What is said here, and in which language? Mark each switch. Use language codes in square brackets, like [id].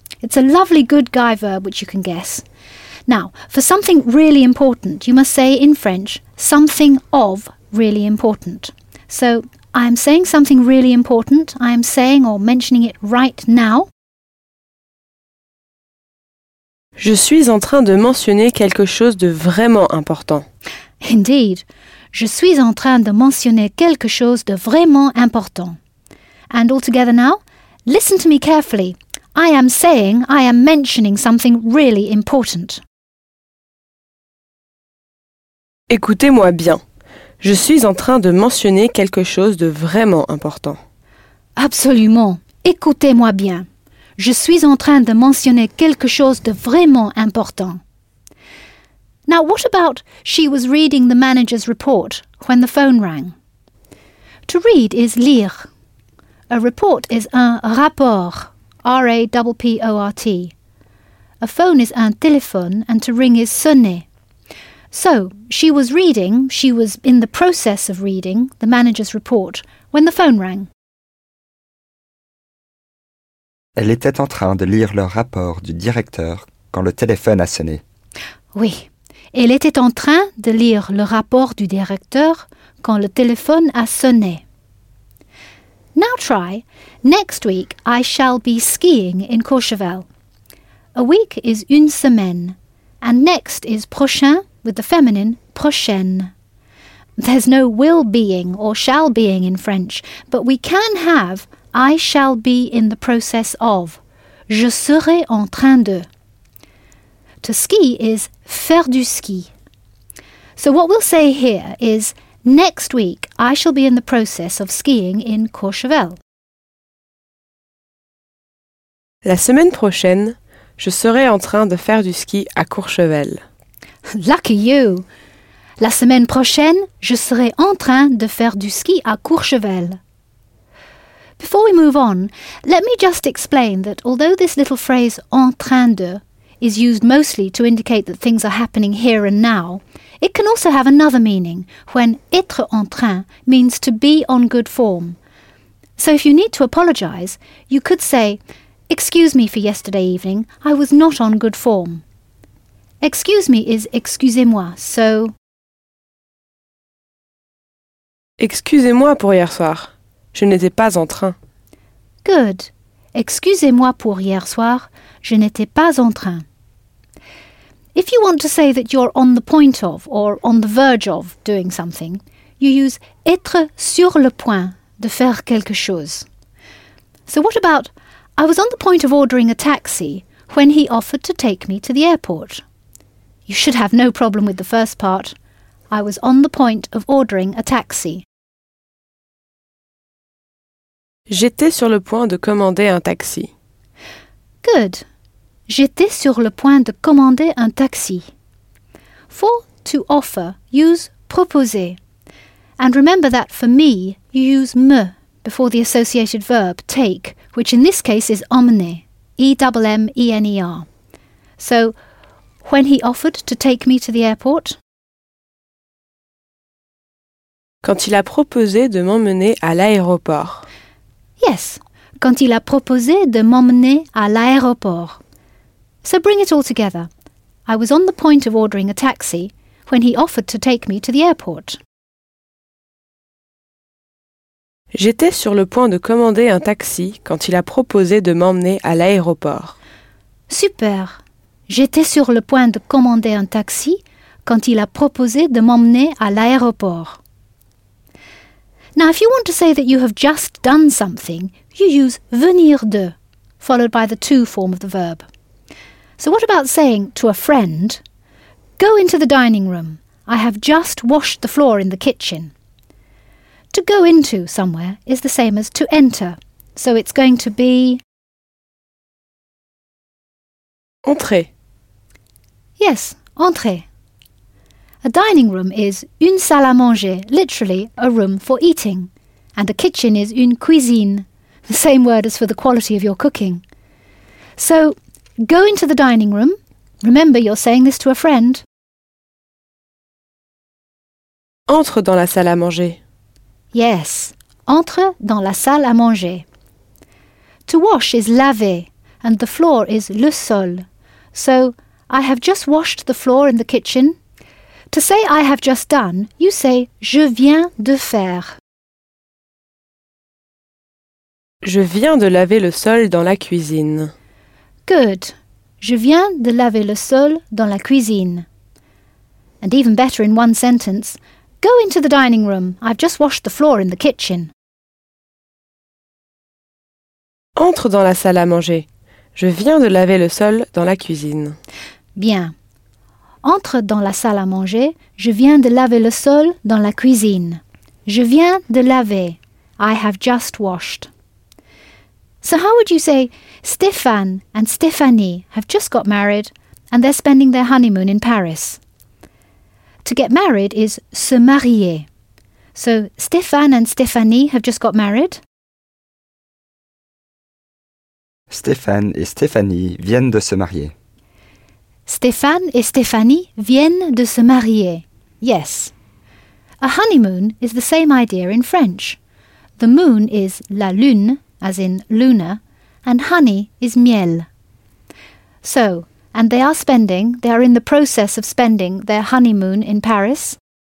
[en] It's a lovely good guy verb which you can guess. Now, for something really important, you must say in French, something of really important. So, I am saying something really important. I am saying or mentioning it right now. [fr] Je suis en train de mentionner quelque chose de vraiment important. [en] Indeed. [fr] Je suis en train de mentionner quelque chose de vraiment important. [en] And altogether now, listen to me carefully. I am saying, I am mentioning something really important. [fr] Écoutez-moi bien. Je suis en train de mentionner quelque chose de vraiment important. Absolument. Écoutez-moi bien. Je suis en train de mentionner quelque chose de vraiment important. [en] Now, what about she was reading the manager's report when the phone rang? To read is lire. A report is un rapport, R-A-P-P-O-R-T. A phone is un téléphone and to ring is sonner. So, she was reading, she was in the process of reading the manager's report when the phone rang. [fr] Elle était en train de lire le rapport du directeur quand le téléphone a sonné. Oui. Elle était en train de lire le rapport du directeur quand le téléphone a sonné. [en] Now try. Next week, I shall be skiing in Courchevel. A week is une semaine. And next is prochain, with the feminine, prochaine. There's no will being or shall being in French, but we can have I shall be in the process of. [fr] Je serai en train de. [en] To ski is [fr] faire du ski. [en] So what we'll say here is, next week I shall be in the process of skiing in Courchevel. [fr] La semaine prochaine, je serai en train de faire du ski à Courchevel. [en] Lucky you! [fr] La semaine prochaine, je serai en train de faire du ski à Courchevel. [en] Before we move on, let me just explain that although this little phrase en train de is used mostly to indicate that things are happening here and now, it can also have another meaning when être en train means to be on good form. So if you need to apologize, you could say, excuse me for yesterday evening, I was not on good form. Excuse me is excusez-moi, so... [fr] Excusez-moi pour hier soir. Je n'étais pas en train. [en] Good. [fr] Excusez-moi pour hier soir. Je n'étais pas en train. [en] If you want to say that you're on the point of or on the verge of doing something, you use [fr] être sur le point de faire quelque chose. [en] So what about I was on the point of ordering a taxi when he offered to take me to the airport? You should have no problem with the first part. I was on the point of ordering a taxi. [fr] J'étais sur le point de commander un taxi. [en] Good. [fr] J'étais sur le point de commander un taxi. [en] For to offer, use proposer. And remember that for me, you use me before the associated verb take, which in this case is emmener, E-M-M-E-N-E-R. So, when he offered to take me to the airport? [fr] Quand il a proposé de m'emmener à l'aéroport. [en] Yes, [fr] quand il a proposé de m'emmener à l'aéroport. [en] So bring it all together. I was on the point of ordering a taxi when he offered to take me to the airport. [fr] J'étais sur le point de commander un taxi quand il a proposé de m'emmener à l'aéroport. [en] Super. [fr] J'étais sur le point de commander un taxi quand il a proposé de m'emmener à l'aéroport. [en] Now, if you want to say that you have just done something, you use venir de, followed by the to form of the verb. So what about saying to a friend, go into the dining room, I have just washed the floor in the kitchen. To go into somewhere is the same as to enter, so it's going to be... [fr] Entrer. [en] Yes, entrer. A dining room is une salle à manger, literally a room for eating. And a kitchen is une cuisine, the same word as for the quality of your cooking. So, go into the dining room. Remember, you're saying this to a friend. [fr] Entre dans la salle à manger. [en] Yes, [fr] entre dans la salle à manger. [en] To wash is laver, and the floor is le sol. So, I have just washed the floor in the kitchen. To say I have just done, you say [fr] je viens de faire. Je viens de laver le sol dans la cuisine. [en] Good. [fr] Je viens de laver le sol dans la cuisine. [en] And even better in one sentence, go into the dining room. I've just washed the floor in the kitchen. [fr] Entre dans la salle à manger. Je viens de laver le sol dans la cuisine. Bien. Entre dans la salle à manger, je viens de laver le sol dans la cuisine. Je viens de laver. [en] I have just washed. So how would you say, Stéphane and Stéphanie have just got married and they're spending their honeymoon in Paris? To get married is se marier. So Stéphane and Stéphanie have just got married? [fr] Stéphane et Stéphanie viennent de se marier. Stéphane et Stéphanie viennent de se marier. [en] Yes. A honeymoon is the same idea in French. The moon is la lune, as in lunar, and honey is miel. So, and they are spending, they are in the process of spending their honeymoon in Paris.